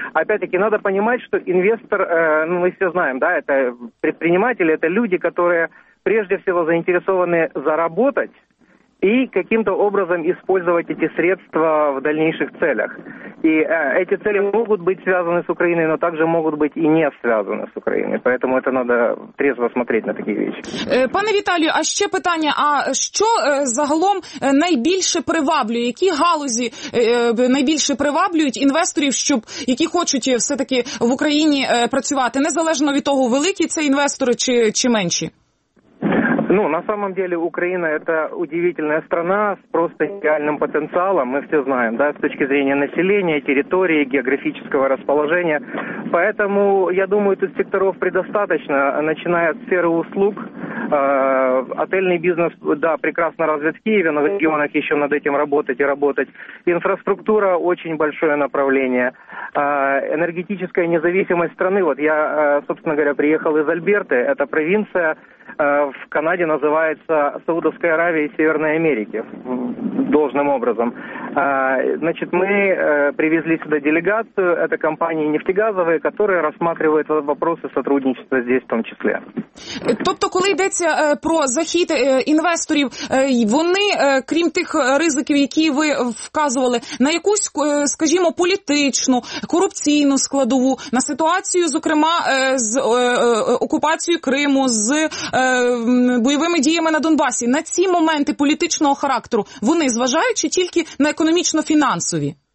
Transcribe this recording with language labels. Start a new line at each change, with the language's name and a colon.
Russian: Опять-таки надо понимать, что инвестор, ну мы все знаем, да, это предприниматели, это люди, которые прежде всего заинтересованы заработать и каким-то образом использовать эти средства в дальнейших целях. И эти цели могут быть связаны с Украиной, но также могут быть и не связаны с Украиной. Поэтому это надо трезво смотреть на такие вещи.
Ukrainian: Пане Віталію, а ще питання. А що загалом найбільше приваблює? Які галузі найбільше приваблюють інвесторів, щоб, які хочуть все-таки в Україні працювати? Незалежно від того, великі це інвестори чи менші?
Russian: Ну, на самом деле, Украина – это удивительная страна с просто идеальным потенциалом, мы все знаем, да, с точки зрения населения, территории, географического расположения. Поэтому, я думаю, тут секторов предостаточно, начиная от сферы услуг. Отельный бизнес, да, прекрасно развит в Киеве, но в регионах еще над этим работать и работать. Инфраструктура – очень большое направление. Энергетическая независимость страны. Вот я, собственно говоря, приехал из Альберты, это провинция, в Канаде называется Саудовская Аравия и Северной Америки, должным образом. Значит, мы привезли сюда делегацию, это компании нефтегазовые, которые рассматривают вопросы сотрудничества здесь в том числе.
Ukrainian: Тобто, коли йдеться про захід інвесторів, вони, крім тих ризиків, які ви вказували, на якусь, скажімо, політичну, корупційну складову, на ситуацію, зокрема, з окупацією Криму, з бойовими діями на Донбасі, на ці моменти політичного характеру, вони зважають чи тільки на економічно-фінансові?